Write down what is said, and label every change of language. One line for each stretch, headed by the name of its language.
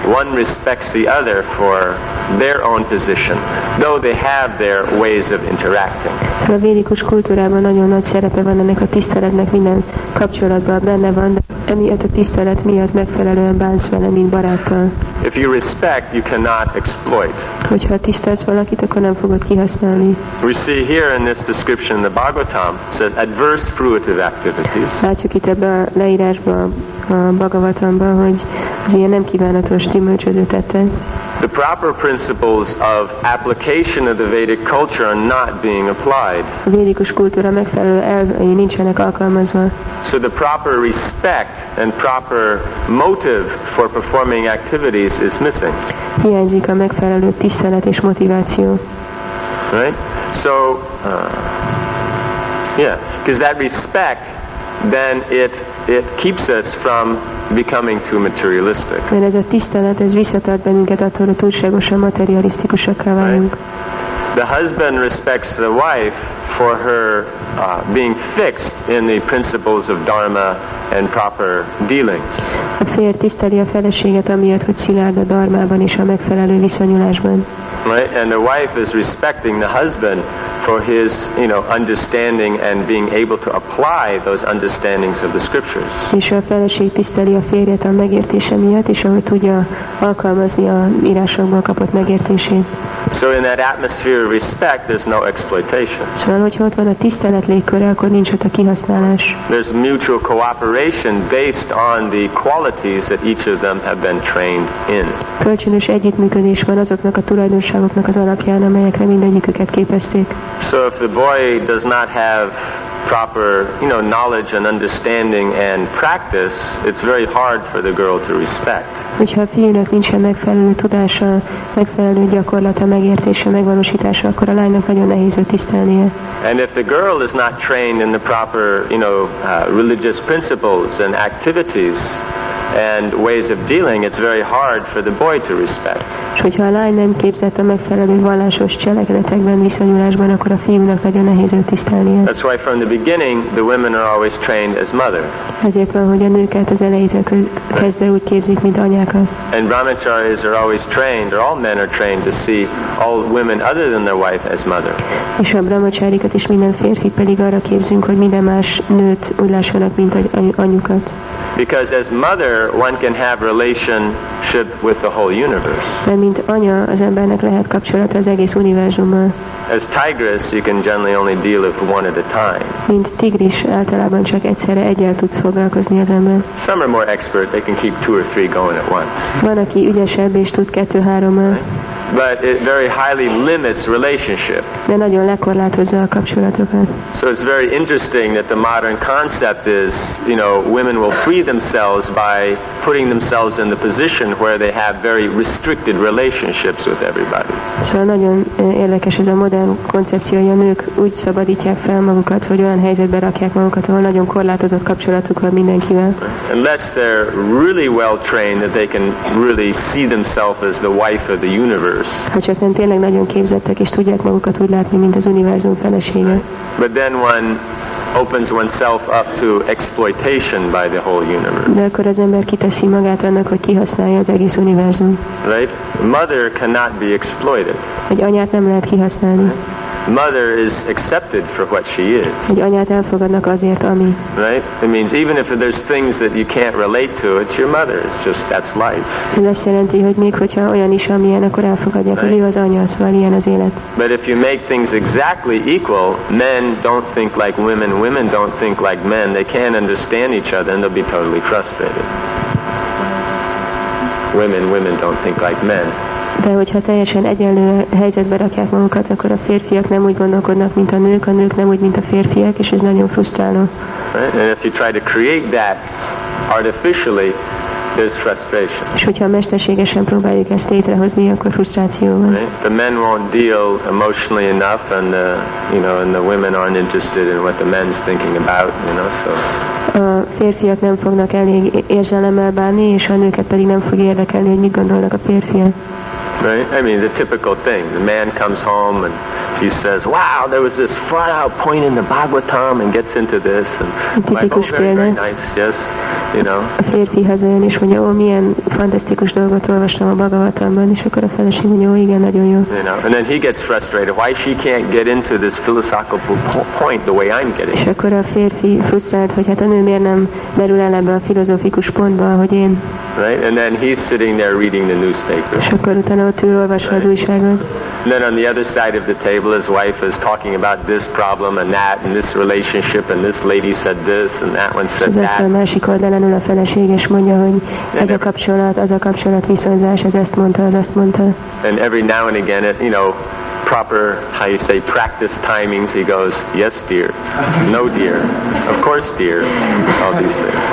English: One respects the other for their own position, though they have their ways of interacting.
Hungarian: A védikus kultúrában nagyon nagy szerepe van ennek a tiszteletnek minden kapcsolatban benne van, de emiatt a tisztelet miatt megfelelően bánsz vele, mint baráttal.
English: If you respect, you cannot exploit.
Hungarian: Hogyha tisztelsz valakit, akkor nem fogod kihasználni.
English: We see here in this description the Bhagavatam says adverse fruitive activities.
Hungarian: Látjuk itt ebben a leírásban a Bhagavatamban, hogy az ilyen nem kívánatos gyümölcsöző tette.
English: The proper principles of application of the Vedic culture are not being applied.
Hungarian: A védikus kultúra megfelelő elvei nincsenek alkalmazva.
English: So the proper respect and proper motive for performing activities is missing.
Hungarian: Hiányzik a megfelelő tisztelet és motiváció.
English: Right? So, because that respect, then it keeps us from becoming too materialistic.
Hungarian: Mert ez a tisztelet, ez visszatart bennünket attól, hogy túlságosan materialisztikusakká váljunk.
English: The husband respects the wife for her being fixed in the principles of dharma and proper dealings.
Hungarian: A férj tiszteli a feleséget amiatt, hogy szilárd a dharmában és a megfelelő viszonyulásban.
English: Right, and the wife is respecting the husband for his, you know, understanding and being able to apply those understandings of the scriptures.
Hungarian: És a feleség tiszteli a férjet a megértése miatt, és ahogy tudja alkalmazni a írásokból kapott megértését.
English: So in that atmosphere of respect, there's no exploitation.
Hungarian: Szóval, hogyha ott van a tisztelet légköre, akkor nincs ott a kihasználás.
English: There's mutual cooperation based on the qualities that each of them have been trained in.
Hungarian: Kölcsönös együttműködés van azoknak a tulajdonságoknak az alapján, amelyekre mindegyiküket képezték.
English: So if the boy does not have proper, you know, knowledge and understanding and practice, it's very hard for the girl to respect.
Hungarian: Hogyha a fiúnak nincsen megfelelő tudása, megfelelő gyakorlata, megértése, megvalósítása, akkor a lánynak nagyon nehéz őt tisztelnie.
English: And if the girl is not trained in the proper, you know, religious principles and activities, and ways of dealing, it's very hard for the boy to respect.
Hungarian: És hogyha a lány nem képzett a megfelelő vallásos cselekedetekben, viszonyulásban, akkor a fiúnak nagyon nehéz őt tisztelnie.
English: That's why from the beginning the women are always trained as mother.
Hungarian: Ezért van, hogy a nőket az elejétől kezdve úgy képzik, mint anyákat.
English: And brahmacharis are always trained, or all men are trained to see all women other than their wife as mother.
Hungarian: És a brahmacharikat is minden férfi pedig arra képzünk, hogy minden más nőt úgy lássanak, mint anyukat.
English: Because as mother, one can have relationship with the whole universe.
Hungarian: De mint anya, az embernek lehet kapcsolata az egész univerzummal.
English: As tigress, you can generally only deal with one at a time.
Hungarian: Mint tigris, általában csak egyszerre egyel tud foglalkozni az ember.
English: Some are more expert, they can keep two or three going at once.
Hungarian: Van, aki ügyesebb és tud kettő-hárommal.
English: But it very highly limits relationship.
Hungarian: De nagyon lekorlátozza a kapcsolatokat.
English: So it's very interesting that the modern concept is, you know, women will free themselves by putting themselves in the position where they have very restricted relationships with everybody.
Hungarian: Szóval nagyon érdekes ez a modern koncepció, hogy a nők úgy szabadítják fel magukat, hogy olyan helyzetbe rakják magukat, ahol nagyon korlátozott kapcsolatuk van mindenkivel.
English: Unless they're really well trained that they can really see themselves as the wife of the universe.
Hungarian: Ha csak nem tényleg nagyon képzettek és tudják magukat úgy látni, mint az univerzum felesége.
English: But then one opens oneself up to exploitation by the whole universe.
Hungarian: De akkor az ember kiteszi magát annak, hogy kihasználja az egész univerzum.
English: Right? Mother cannot be exploited.
Hungarian: Egy anyát nem lehet kihasználni.
English: Mother is accepted for what she is.
Hungarian: Egy anyát elfogadnak azért, ami.
English: Right? It means even if there's things that you can't relate to, it's your mother. It's just that's life.
Hungarian: Ez azt jelenti, hogy még hogyha olyan is, amilyen, akkor elfogadják, hogy ő az anya, szóval ilyen az élet.
English: But if you make things exactly equal, men don't think like women, women don't think like men. They can't understand each other, and they'll be totally frustrated. Women, women don't think like men.
Hungarian: De hogyha teljesen egyenlő helyzetbe rakják magukat, akkor a férfiak nem úgy gondolkodnak, mint a nők nem úgy, mint a férfiak, és ez nagyon frusztráló.
English: And if you try to create that artificially, there's frustration.
Hungarian: És hogyha mesterségesen próbáljuk ezt létrehozni, akkor frusztráció van.
English: The men won't deal emotionally enough, and the, you know, and the women aren't interested in what the men's thinking about, you know, so.
Hungarian: A férfiak nem fognak elég érzelemmel bánni, és a nőket pedig nem fog érdekelni, hogy mit gondolnak a férfiak.
English: Right? I mean, the typical thing. The man comes home and he says, wow, there was this flat out point in the Bhagavatam, and gets into this. And
Hungarian: typikus
English: like, oh, very, very nice, yes, you know.
Hungarian: A férfi hazajön és mondja, ó, milyen fantasztikus dolgot olvastam a Bhagavatamban, és akkor a feleség mondja, ó, igen, nagyon jó.
English: You know, and then he gets frustrated. Why she can't get into this philosophical point the way I'm getting.
Hungarian: És akkor a férfi frusztrált, hogy hát a nő miért nem merül el ebbe a filozófikus pontba, ahogy én.
English: Right? And then he's sitting there reading the newspaper.
Hungarian: És akkor utána ott ül, olvasva az újságot.
English: And then on the other side of the table, his wife is talking about this problem and that and this relationship and this lady said this and that one said that.
Hungarian: Az asztal másik oldalán ül a feleség és mondja, hogy ez a kapcsolat, az a kapcsolat viszonzás, ez ezt mondta, az ezt mondta.
English: And every now and again, it, you know, proper, how you say, practice timings, he goes, yes, dear, no, dear, of course, dear, all these things.